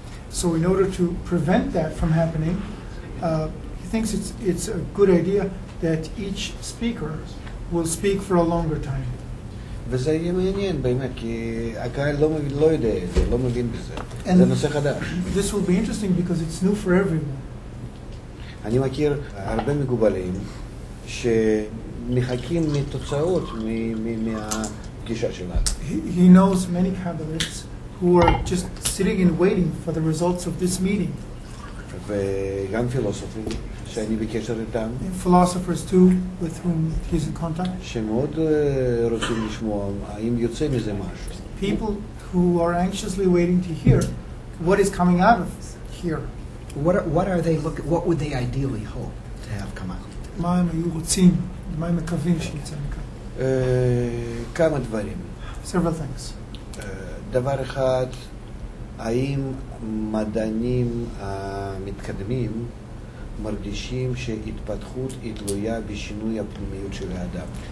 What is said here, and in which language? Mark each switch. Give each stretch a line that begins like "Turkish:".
English: So in order to prevent that from happening, he thinks it's a good idea that each speaker will speak for a longer time.
Hebrew: וזה יהיה מעניין באמת, כי הקהל לא יודע את זה, לא מבין בזה. זה נושא חדש.
English: This will be interesting because it's new for everyone.
Hebrew: אני מכיר הרבה מגובלים שמחכים מתוצאות מהפגישה שלנו.
English: He knows many Kabbalists who are just sitting and waiting for the results of this meeting.
Hebrew: וגם פילוסופים. שאני בקשר איתם.
English: Philosophers too, with whom he's in contact.
Hebrew: שמאוד רוצים לשמוע, האם יוצא מזה משהו.
English: People who are anxiously waiting to hear what is coming out of here. What are they looking, what would they ideally hope to have come out?
Hebrew: מה הם היו רוצים, מה הם מקווים שיצא מכאן? כמה דברים.
English: Several things.
Hebrew: דבר אחד, האם מדענים המתקדמים מרגישים שהתפתחות היא תלויה בשינוי הפנימיות של האדם.